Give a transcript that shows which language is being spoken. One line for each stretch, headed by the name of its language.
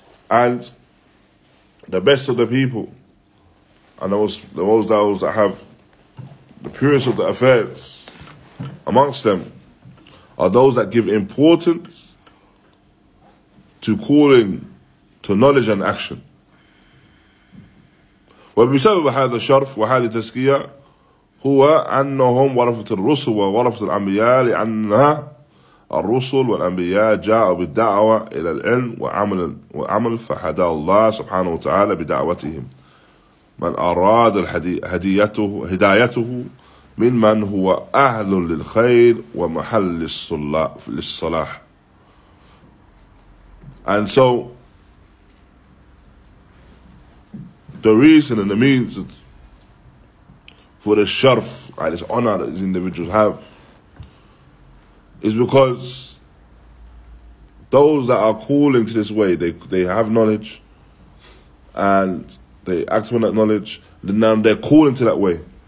English: And the best of the people, and those that have the purest of the affairs amongst them, are those that give importance to calling to knowledge and action.
Arabic: وبسبب هذا الشرف وهذه التزكية هو أنهم ورثة الرسل وورثة الأنبياء لأنها الرسل والأنبياء جاءوا بالدعوة إلى العلم وعمل فهدى الله سبحانه وتعالى بدعوتهم من أراد هدايته ممن هو أهل للخير ومحل للصلاح.
English: And so the reason and the means for the sharf and this honor that these individuals have is because those that are calling to this way, they have knowledge and they act on that knowledge, then now they're calling to that way.